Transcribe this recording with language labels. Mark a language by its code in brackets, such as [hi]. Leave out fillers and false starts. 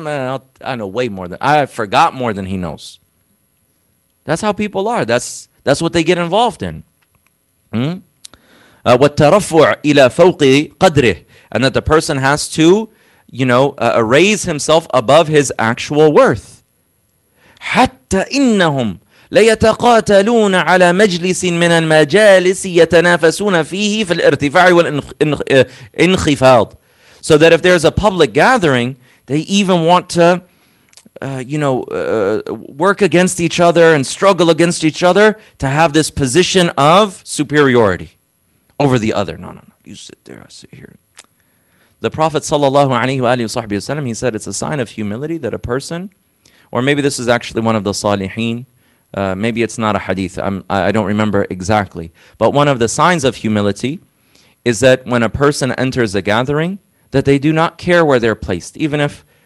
[en] Man, I know way more than, I forgot more than he knows. That's how people are. That's what they get involved in. [ar] والترفع إلى فوق قدره. [en] And that the person has to, you know, raise himself above his actual worth. [ar] حتى إنهم ليتقاتلون على مجلس من المجالس يتنافسون فيه في الارتفاع والانخفاض. [en] So that if there's a public gathering, they even want to, work against each other and struggle against each other to have this position of superiority over the other. No. You sit there, I sit here. The Prophet sallallahu alaihi wa alihi wasallam, he said it's a sign of humility that a person, or maybe this is actually one of the salihin, maybe it's not a hadith, I don't remember exactly, but one of the signs of humility is that when a person enters a gathering, that they do not care where they're placed, even if